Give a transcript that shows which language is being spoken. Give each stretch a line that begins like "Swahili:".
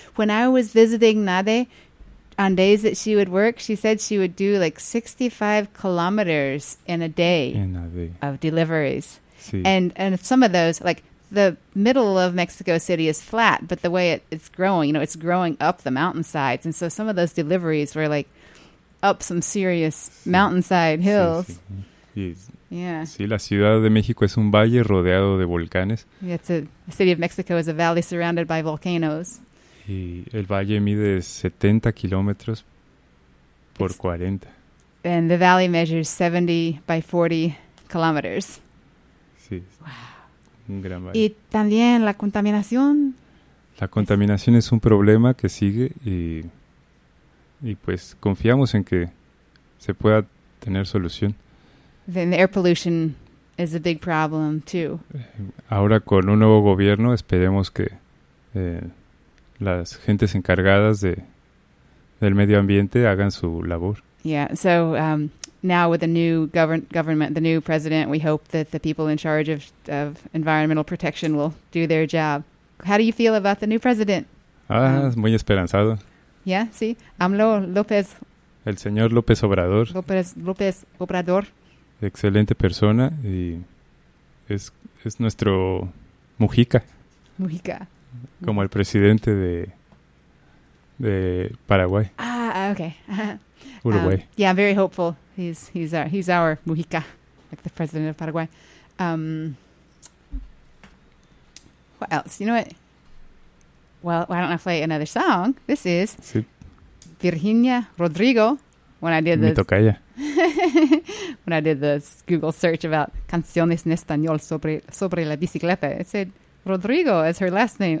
English: When I was visiting Nade, on days that she would work, she said she would do like 65 kilometers in a day of deliveries.
Spanish: Sí.
English: And some of those, like the middle of Mexico City is flat, but the way it's growing, you know, it's growing up the mountainsides. And so some of those deliveries were like up some serious mountainside hills.
Spanish: Sí, la Ciudad de México es un valle rodeado de volcanes.
English: The city of Mexico is a valley surrounded by volcanoes.
Spanish: Y el valle mide 70 kilómetros por 40.
English: And the valley measures 70 by 40 kilometers.
Spanish: Sí.
English: Wow.
Spanish: Un gran valle. Y también la contaminación. La contaminación es un problema que sigue y pues confiamos en que se pueda tener solución.
English: Then the air pollution is a big problem, too.
Spanish: Ahora, con un nuevo gobierno, esperemos que las gentes encargadas del medio ambiente hagan su labor.
English: Yeah, so now with the new government, the new president, we hope that the people in charge of environmental protection will do their job. How do you feel about the new president?
Spanish: Muy esperanzado. Yeah, sí. AMLO López. El señor López Obrador. López Obrador. Excelente persona y es nuestro Mujica, como el presidente de Paraguay.
English: Okay. Uruguay. Yeah, I'm very hopeful. He's our Mujica, like the president of Paraguay. What else? You know what? Well, why don't I play another song? This is
Spanish: sí.
English: Virginia Rodrigo. When I did the Google search about canciones en español sobre la bicicleta, it said Rodrigo as her last name.